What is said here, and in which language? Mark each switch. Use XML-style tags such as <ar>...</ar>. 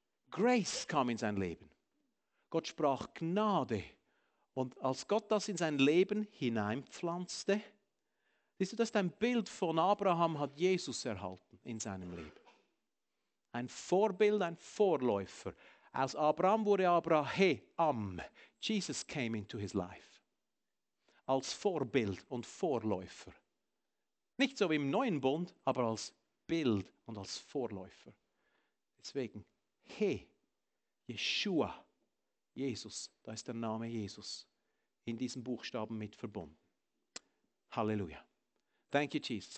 <de>Grace kam in sein Leben. Gott sprach Gnade. Und als Gott das in sein Leben hineinpflanzte, siehst du, das ist ein Bild von Abraham, hat Jesus erhalten in seinem Leben. Ein Vorbild, ein Vorläufer. Aus Abraham wurde Abraham.</de> <en>Jesus came into his life.</en> <de>Als Vorbild und Vorläufer. Nicht so wie im Neuen Bund, aber als Bild und als Vorläufer. Deswegen, Yeshua, Jesus, da ist der Name Jesus in diesen Buchstaben mit verbunden. Halleluja.</de> <en>Thank you, Jesus.</en>